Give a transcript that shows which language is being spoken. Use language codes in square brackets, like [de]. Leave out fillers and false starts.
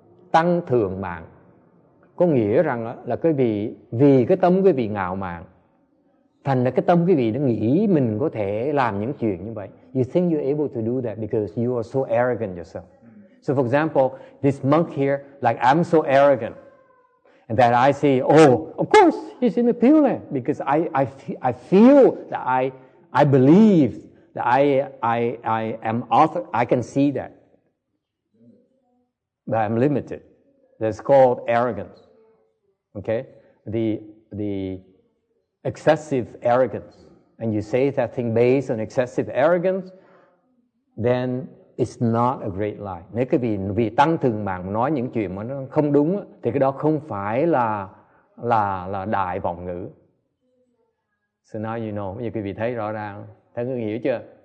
[vi] Tăng thượng mạng có nghĩa rằng là quý vị vì cái tâm quý vị ngạo mạn, thành ra cái tâm quý vị nó nghĩ mình có thể làm những chuyện như vậy. [en] You think you're able to do that because you are so arrogant yourself. So for example, this monk here, like I'm so arrogant and that I say, oh, of course he's in the Pure Land because I feel that I believe that I am author, I can see that. But I'm limited. That's called arrogance. Okay? The excessive arrogance. And you say that thing based on excessive arrogance, then it's not a great lie. [vi] Nếu quý vị vì tăng thượng mạng mà nói những chuyện mà nó không đúng thì cái đó không phải là đại vọng ngữ. [en] So now you know. [vi] Bây giờ quý vị thấy rõ ràng. Thấy người hiểu chưa?